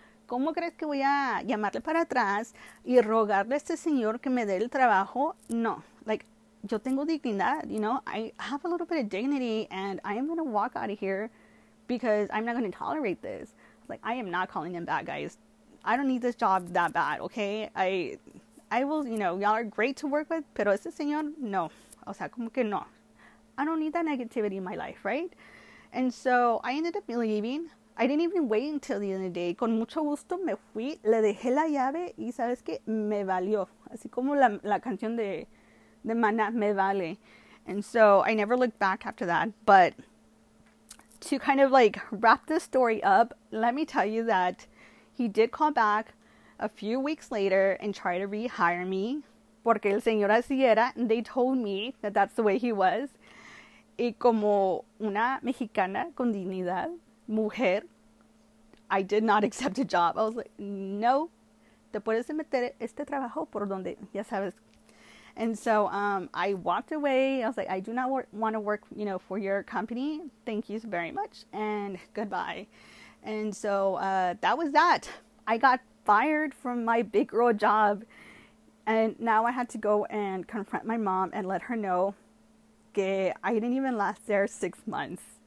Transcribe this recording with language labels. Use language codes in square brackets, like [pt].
[es] ¿Cómo crees que voy a llamarle para atrás y rogarle a este señor que me dé el trabajo? No. [en] Like, [es] yo tengo dignidad, [en] I have a little bit of dignity and I am going to walk out of here because I'm not going to tolerate this. Like, I am not calling him back, guys. I don't need this job that bad, okay? I will, y'all are great to work with, [es] pero ese señor, no. O sea, como que no. [en] I don't need that negativity in my life, right? And so I ended up leaving. I didn't even wait until the end of the day. [es] Con mucho gusto me fui, le dejé la llave y sabes qué, me valió. Así como la canción de Maná, me vale. [en] And so I never looked back after that. But to kind of like wrap this story up, let me tell you that he did call back a few weeks later and try to rehire me. [es] Porque el señor así era, [en] and they told me that that's the way he was. [es] Y como una mexicana con dignidad, mujer, [en] I did not accept a job. I was like, [es] no, te puedes meter este trabajo por donde ya sabes. [en] And so I walked away. I was like, I do not want to work, you know, for your company. Thank you very much and goodbye. And so that was that. I got fired from my big girl job. And now I had to go and confront my mom and let her know that I didn't even last there 6 months.